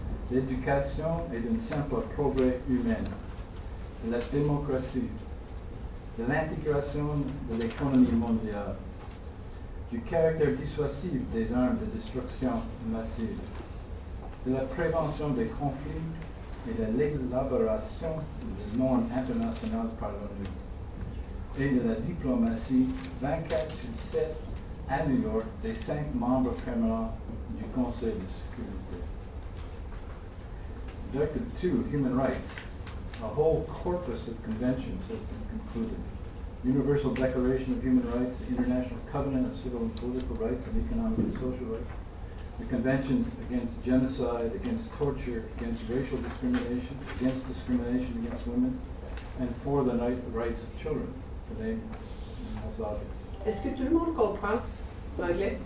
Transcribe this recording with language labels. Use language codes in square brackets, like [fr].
[fr] L'éducation et d'un simple progrès humain, la démocratie, de l'intégration de l'économie mondiale, du caractère dissuasif des armes de destruction massive, de la prévention des conflits et de l'élaboration des normes internationales par l'ONU. et de la diplomatie 24/7 à New York des cinq membres permanents du Conseil de sécurité. [en] Directive 2, Human Rights. A whole corpus of conventions has been concluded. Universal Declaration of Human Rights, the International Covenant of Civil and Political Rights and Economic and Social Rights, the conventions against genocide, against torture, against racial discrimination against women, and for the rights of children, to name most obvious. [fr] Est-ce que tout le monde comprend l'anglais?